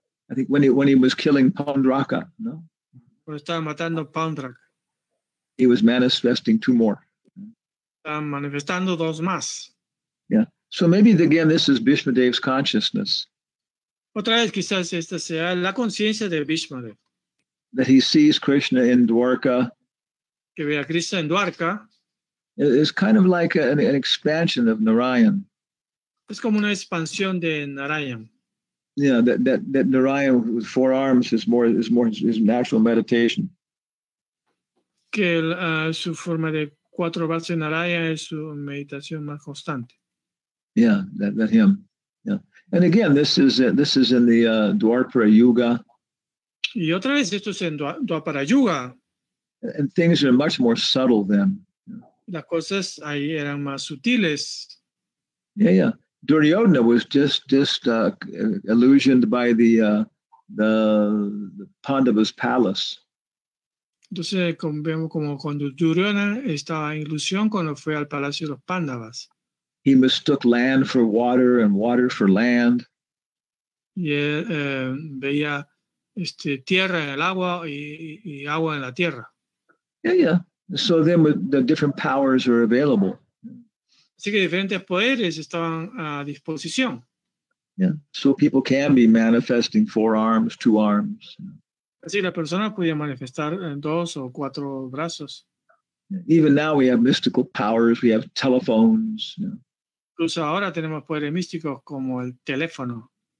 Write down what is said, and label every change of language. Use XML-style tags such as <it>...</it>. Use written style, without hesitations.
<en>I think when he was killing Pandraka, no?</en> <es>Cuando estaba matando Pandraka.</es> <en>He was manifesting two more.</en> <es>Estaba manifestando dos más.</es> <en>Yeah, so maybe again this is Bhishma Dev's consciousness.</en> <es>Otra vez quizás esta sea la conciencia de Bhishma Dev.</es> <en>That he sees Krishna in Dwarka.</en> <es>Que ve a Krishna en Dwarka.</es> <en>It's kind of like an expansion of Narayan.</en> <es>Es como una expansión de Narayan.</es> <en>Yeah, that Narayan with four arms is more his natural meditation.</en> <es>Que su forma de cuatro brazos de Narayan es su meditación más constante.</es> <en>Yeah, that him. Yeah, and again, this is in the Dwapara Yuga.</en> <es>Y otra vez esto es en Dwapara Yuga.</es> <en>And things are much more subtle then.</en> <es>Las cosas ahí eran más sutiles.</es> <en>Yeah, yeah. Duryodhana was just illusioned by the Pandava's palace.</en> <es>Entonces vemos como cuando Duryodhana estaba en ilusión cuando fue al palacio de los Pandavas.</es> <en>He mistook land for water and water for land.</en> <es>Y veía tierra en el agua y agua en la tierra.</es> <en>Yeah, yeah. So then the different powers are available.</en> <es>Así que diferentes poderes estaban a disposición.</es> <en>Yeah, so people can be manifesting four arms, two arms.</en> <es>Así la persona podía manifestar dos o cuatro brazos.</es> <en>Even now we have mystical powers, we have telephones.</en> <es>Incluso ahora tenemos poderes místicos como el teléfono.</es>